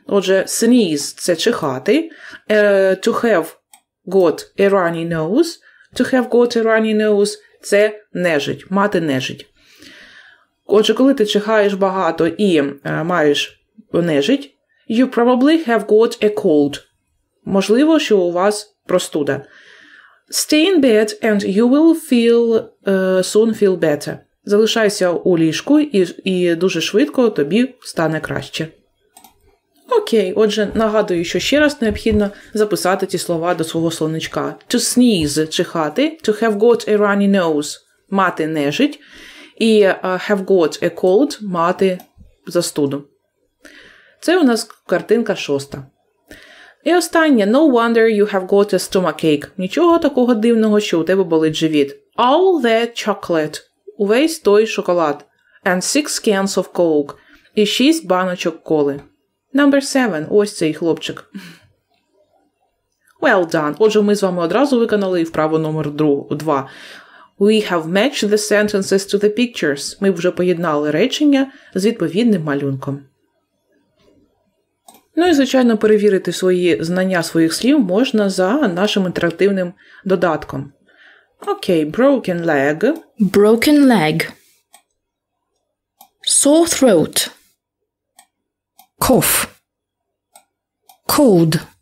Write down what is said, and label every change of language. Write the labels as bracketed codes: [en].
[uk] Отже, [en] sneeze – [uk] це чихати. [en] To have got a runny nose. To have got a runny nose – [uk] це нежить. Мати нежить. Отже, коли ти чихаєш багато і маєш нежить, [en] you probably have got a cold. [uk] Можливо, що у вас простуда. [en] Stay in bed and you will soon feel better. [uk] Залишайся у ліжку і дуже швидко тобі стане краще. Окей, отже, нагадую, що ще раз необхідно записати ці слова до свого словничка. [en] To sneeze – [uk] чихати. [en] To have got a runny nose – [uk] мати нежить. [en] І have got a cold – [uk] мати застуду. Це у нас картинка шоста. І останнє. [en] No wonder you have got a stomachache. [uk] Нічого такого дивного, що у тебе болить живіт. [en] All that chocolate. [uk] Увесь той шоколад. [en] And 6 cans of coke. [uk] І 6 баночок коли. [en] Number 7. [uk] Ось цей хлопчик. [en] Well done. [uk] Отже, ми з вами одразу виконали і вправу номер 2. [en] We have matched the sentences to the pictures. [uk] Ми вже поєднали речення з відповідним малюнком. Ну і, звичайно, перевірити свої знання своїх слів можна за нашим інтерактивним додатком. [en] Окей, broken leg. Broken leg. Sore throat. Cough. Cold.